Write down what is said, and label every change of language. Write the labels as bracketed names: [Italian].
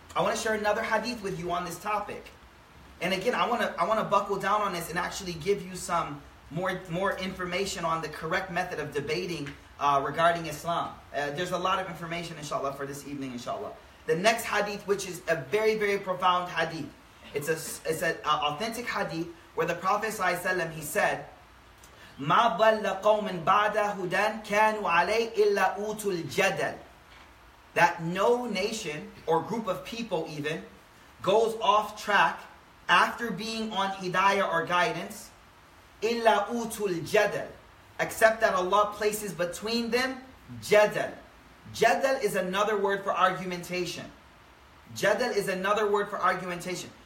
[English] I want to share another hadith with you on this topic. And again, I wanna buckle down on this and actually give you some more information on the correct method of debating regarding Islam. There's a lot of information, inshallah, for this evening, inshallah. The next hadith, which is a very, very profound hadith. It's an authentic hadith where the Prophet ﷺ, he said, [Arabic] مَا ضَلَّ قَوْمٍ بَعْدَ هُدًى كَانُوا عَلَيْهِ إِلَّا أُوتُ الْجَدَلِ. [English] That no nation or group of people even goes off track after being on hidayah or guidance, [Arabic] إِلَّا أُوتُ الْجَدَلِ, [English] except that Allah places between them jadal. Jadal is another word for argumentation. Jadal is another word for argumentation.